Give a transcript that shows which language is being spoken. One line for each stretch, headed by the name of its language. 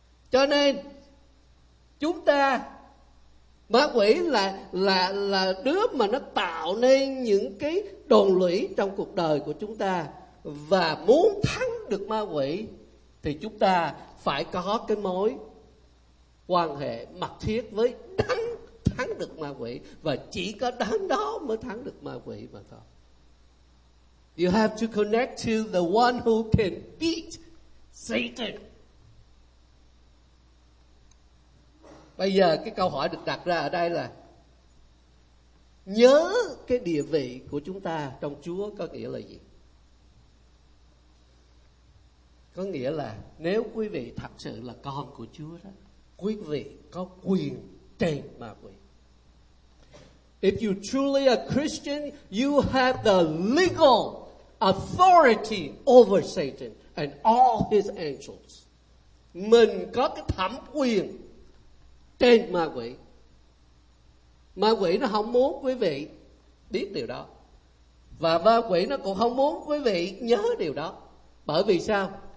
Vietnamese: Cho nên chúng ta, ma quỷ là đứa mà nó tạo nên những cái đồn lũy trong cuộc đời của chúng ta. Và muốn thắng được ma quỷ thì chúng ta phải có cái mối quan hệ mật thiết với đấng thắng được ma quỷ. Và chỉ có đấng đó mới thắng được ma quỷ mà thôi.
English: You have to connect to the one who can beat Satan.
Vietnamese: Bây giờ cái câu hỏi được đặt ra ở đây là nhớ cái địa vị của chúng ta trong Chúa có nghĩa là gì? Có nghĩa là nếu quý vị thật sự là con của Chúa đó, quý vị có quyền trên ma quỷ.
English: If you truly a Christian, you have the legal authority over Satan and all his angels.
Vietnamese: Mình có cái thẩm quyền trên ma quỷ. Ma quỷ nó không muốn quý vị biết điều đó. Và ma quỷ nó cũng không muốn quý vị nhớ điều đó. Bởi vì sao?